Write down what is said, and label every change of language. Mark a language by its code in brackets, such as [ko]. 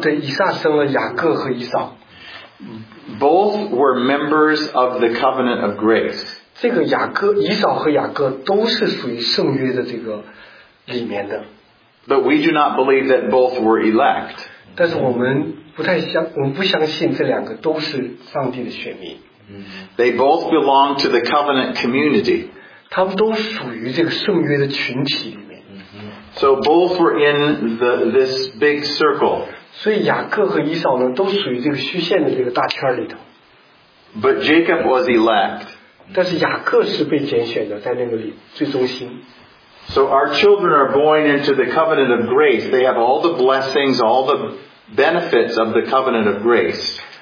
[zh] 对，以撒生了雅各和以扫。 [en] Both were members of the covenant of grace. [zh] 这个雅各、以扫和雅各都是属于圣约的这个里面的。 [en] But we do not believe that both were elect. [zh] 但是我们不太相，我们不相信这两个都是上帝的选民。 [en] They both belong to the covenant community. [zh] 他们都属于这个圣约的群体里面。 [en] So both were in this big circle. [zh] 所以雅各和以扫呢，都属于这个虚线的这个大圈里头。 [en] But Jacob was elect. [zh] 但是雅各是被拣选的，在那个里最中心。 [en] So our children are born into the covenant of grace. They have all the blessings, all the benefits of the covenant of grace.